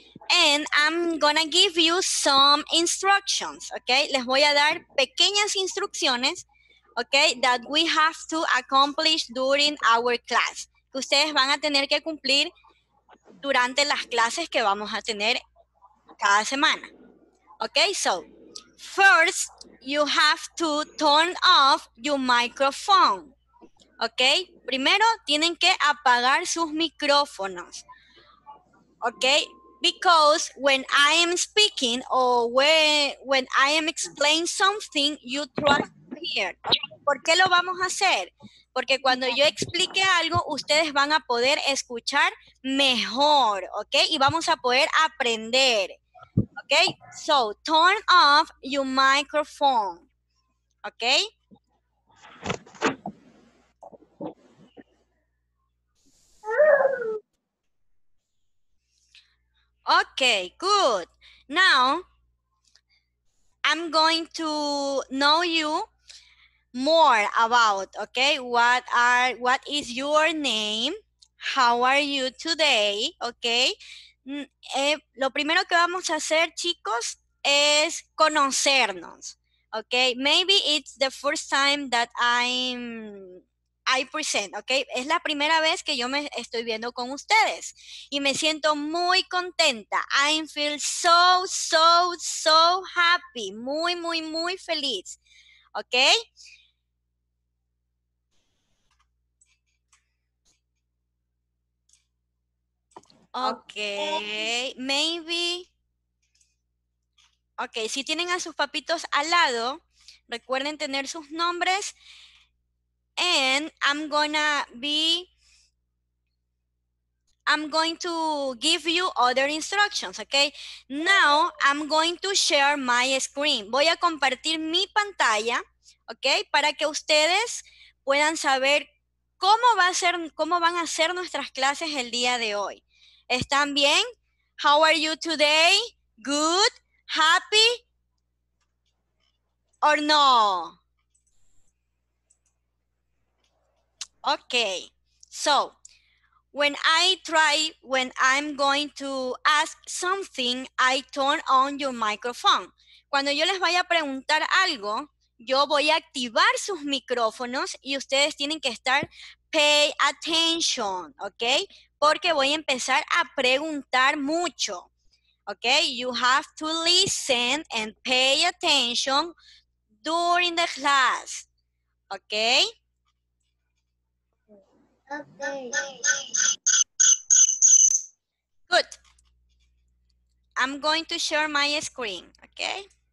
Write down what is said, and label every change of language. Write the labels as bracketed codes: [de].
[en] And I'm gonna give you some instructions, okay? [es] Les voy a dar pequeñas instrucciones, [en] okay, that we have to accomplish during our class. [es] Que ustedes van a tener que cumplir durante las clases que vamos a tener cada semana. [en] Okay, so, first, you have to turn off your microphone. ¿Ok? [es] Primero, tienen que apagar sus micrófonos. ¿Ok? [en] Because when I am speaking or when I am explaining something, you try to hear. [es] ¿Por qué lo vamos a hacer? Porque cuando yo explique algo, ustedes van a poder escuchar mejor, ¿ok? Y vamos a poder aprender, ¿ok? [en] So, turn off your microphone, [es] ¿ok? [en] Ok, good. Now, I'm going to know you more about, okay, what is your name, how are you today, okay? [es] Lo primero que vamos a hacer, chicos, es conocernos, okay? [en] Maybe it's the first time that I present, okay? [es] Es la primera vez que yo me estoy viendo con ustedes y me siento muy contenta. [en] I feel so happy, [es] muy feliz, [en] okay? Okay. Maybe. [es] Okay, si tienen a sus papitos al lado, recuerden tener sus nombres. [en] And I'm going to give you other instructions, okay? Now I'm going to share my screen. [es] Voy a compartir mi pantalla, [en] okay? [es] Para que ustedes puedan saber cómo van a ser nuestras clases el día de hoy. ¿Están bien? [en] How are you today? Good? Happy? Or no? Okay. So, when I'm going to ask something, I turn on your microphone. [es] Cuando yo les vaya a preguntar algo, yo voy a activar sus micrófonos y ustedes tienen que estar [en] pay attention, [es] okay? Porque voy a empezar a preguntar mucho, ¿ok? [en] You have to listen and pay attention during the class, ¿ok? Ok. Good. I'm going to share my screen, ¿ok?